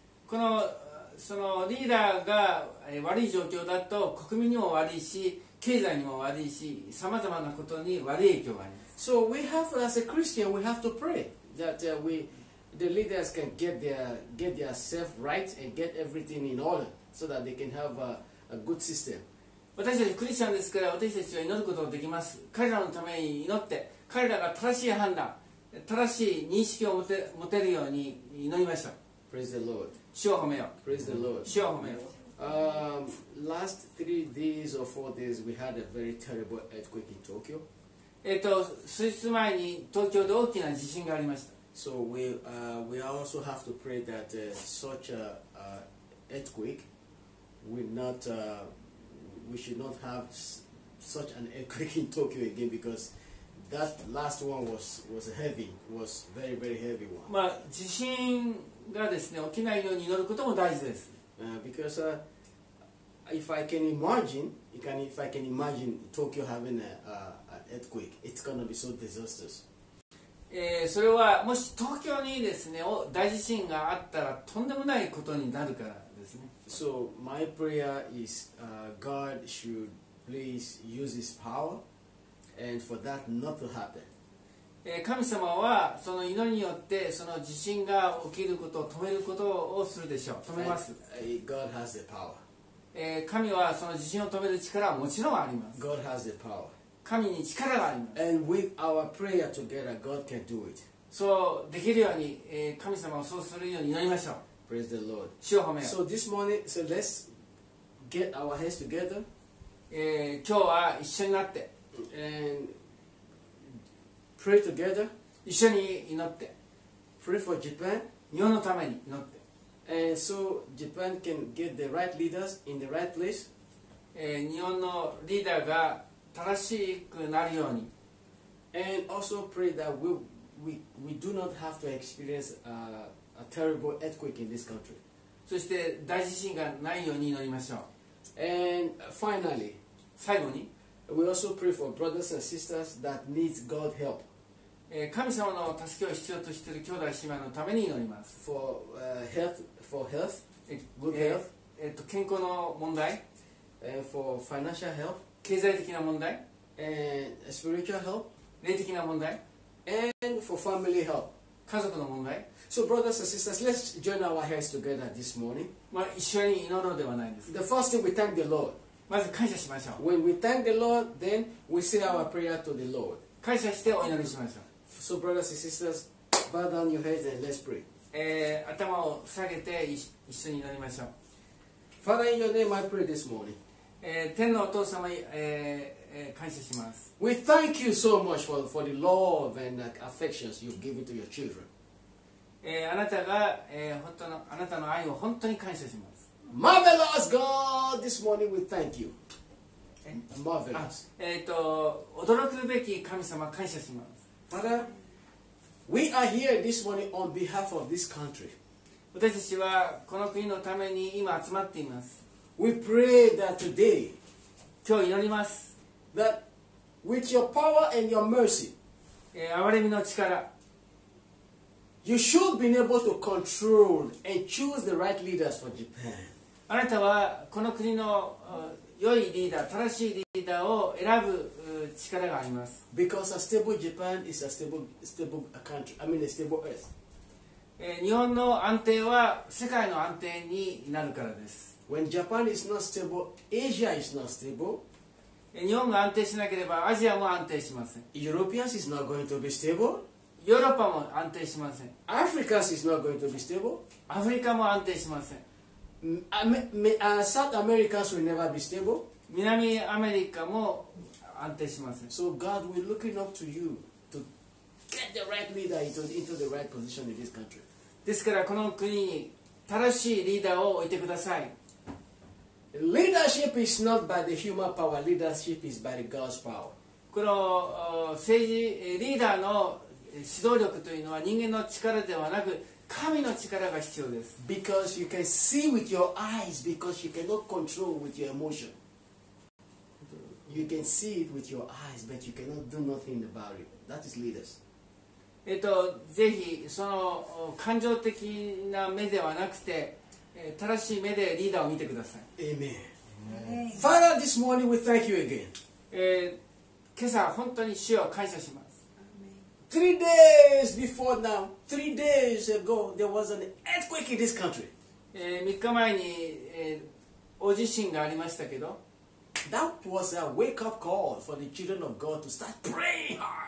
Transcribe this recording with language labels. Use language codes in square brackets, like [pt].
[ja] このそのリーダーが悪い状況だと国民にも悪いし経済にも悪いし様々なことに悪い影響があります。 [en] So we have as a Christian, we have to pray that we. The leaders can get their self right and get everything in order. so that they can have a good system. [ja] 私たちクリスチャンですから、私たちは祈ることができます。彼らのために祈って、彼らが正しい判断、正しい認識を持てるように祈りましょう。 [en] Praise the Lord. [ja] 主を褒めよう。 [en] Praise the Lord. [ja] 主を褒めよう。 [en] Last three days or four days, we had a very terrible earthquake in Tokyo. [ja] 数日前に東京で大きな地震がありました。 [en] So we also have to pray that such a earthquake will not, we should not have such an earthquake in Tokyo again because that last one was heavy, was very, very heavy one. [ja] まあ地震がですね、起きないように祈ることも大事です。 [en] Because if I can imagine, if I can imagine Tokyo having an earthquake, it's going to be so disastrous. [ja] それはもし東京にですね大地震があったらとんでもないことになるからですね。 [en] So my prayer is God should please use His power and for that not to happen. [ja] 神様はその祈りによってその地震が起きることを止めることをするでしょう。止めます。 [en] God has the power. [ja] 神はその地震を止める力はもちろんあります。 [en] God has the power. [ja] 神に力があります。 [en] And with our prayer together, God can do it. [ja] そうできるように、神様をそうするように祈りましょう。 [en] Praise the Lord. [ja] 主を褒めよう。 [en] So this morning, so let's get our heads together. [ja] 今日は一緒になって。 [en] And pray together. [ja] 一緒に祈って。 [en] Pray for Japan. [ja] 日本のために祈って。 [en] And so Japan can get the right leaders in the right place. [ja] 日本のリーダーが正しくなるように。 [en] And also pray that we do not have to experience a terrible earthquake in this country. [ja] そして大地震がないように祈りましょう。 [en] And finally, [ja] 最後に、 [en] we also pray for brothers and sisters that need God help. [ja] 神様の助けを必要としている兄弟姉妹のために祈ります。 [en] For health, for health, good health. [ja] 健康の問題。 [en] For financial help. [ja] 経済的な問題、 [en] spiritual help、 [ja] 霊的な問題、 [en] and for family help、 [ja] 家族の問題。 [en] So brothers and sisters, let's join our hands together this morning。 [ja] まあ一緒に祈ろうではないですか。 [en] The first thing we thank the Lord。 [ja] まず感謝しましょう。 [en] When we thank the Lord, then we say our prayer to the Lord。 [ja] 感謝してお祈りしましょう。 [en] So brothers and sisters, bow down your heads and let's pray。 [ja] 頭を下げて一緒に祈りましょう。 [en] Father, in your name, I pray this morning。 [ja] 天のお父様に、感謝します。 [en] We thank you so much for the love and affections you've given to your children. [ja] あなたが、本当のあなたの愛を本当に感謝します。 [en] Marvelous God, this morning we thank you. Marvelous. [ja] 驚くべき神様感謝します。 [en] Father, we are here this morning on behalf of this country. [ja] 私たちはこの国のために今集まっています。 [en] We pray that today, [ja] 今日祈ります。 [en] That with your power and your mercy, [ja] 憐れみの力、 [en] you should be able to control and choose the right leaders for Japan. [ja] あなたはこの国の良いリーダー、正しいリーダーを選ぶ力があります。 [en] Because a stable Japan is a stable country. I mean a stable earth. [ja] 日本の安定は世界の安定になるからです。 [en] When Japan is not stable, Asia is not stable. [ja] 日本が安定しなければアジアも安定しません。 [en] Europeans is not going to be stable. [ja] ヨーロッパも安定しません。 [en] Africa is not going to be stable. [ja] アフリカも安定しません。 [en] South America will never be stable. [ja] 南アメリカも安定しません。 [en] So God, we're looking up to you to get the right leader into the right position in this country. [ja] ですからこの国に正しいリーダーを置いてください。 [en] Leadership is not by the human power. Leadership is by God's power. [ja] この政治リーダーの指導力というのは人間の力ではなく神の力が必要です。 [en] Because you can see with your eyes, because you cannot control with your emotion. You can see it with your eyes, but you cannot do nothing about it. That is leaders. [ja] ぜひその感情的な目ではなくて。正しい目でリーダーを見てください。 [en] Amen. Amen. Father, this morning we thank you again. [ja] 今朝本当に主を感謝します。 [en] Amen. 3 days before now, 3 days ago, there was an earthquake in this country. [ja] 3日前に、大地震がありましたけど、 [en] That was a wake up call for the children of God to start praying hard.